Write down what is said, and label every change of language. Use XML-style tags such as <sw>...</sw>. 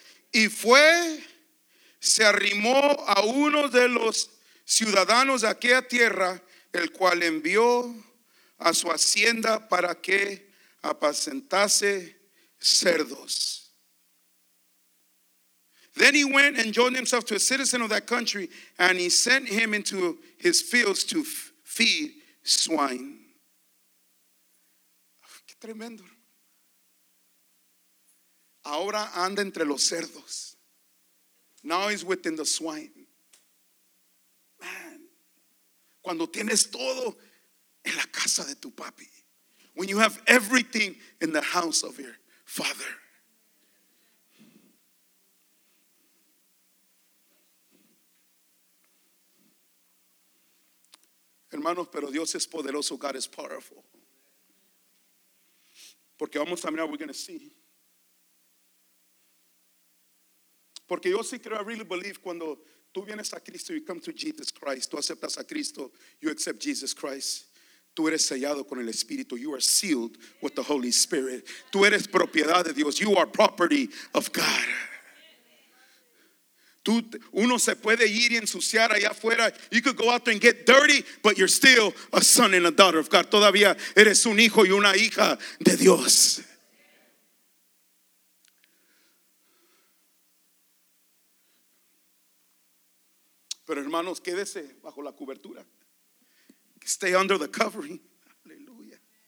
<es>Y fue, se arrimó a uno de los ciudadanos de aquella tierra, el cual envió a su hacienda para que apacentase cerdos.</es> <en>Then he went and joined himself to a citizen of that country, and he sent him into his fields to feed swine.</en> <es>Qué tremendo. Ahora anda entre los cerdos.</es> <en>Now he's within the swine. Man,</en> <es>cuando tienes todo en la casa de tu papi,</es> <en>when you have everything in the house of your father.</en> <es>Hermanos, pero Dios es poderoso.</es> <en>God is powerful.</en> <es>Porque vamos a mirar,</es> <en>we're going to see.</en> <es>Porque yo sí creo,</es> <en>I really believe,</en> <es>cuando tú vienes a Cristo,</es> <en>you come to Jesus Christ,</en> <es>tú aceptas a Cristo,</es> <en>you accept Jesus Christ,</en> <es>tú eres sellado con el Espíritu.</es> <en>You are sealed with the Holy Spirit.</en> <es>Tú eres propiedad de Dios.</es> <en>You are property of God.</en> <es>Uno se puede ir y ensuciar allá afuera.</es> <en>You could go out there and get dirty, but you're still a son and a daughter of God.</en> <es>Todavía eres un hijo y una hija de Dios. Pero hermanos, quédese bajo la cobertura.</es> <en>Stay under the covering.</en> <es>Aleluya.</es>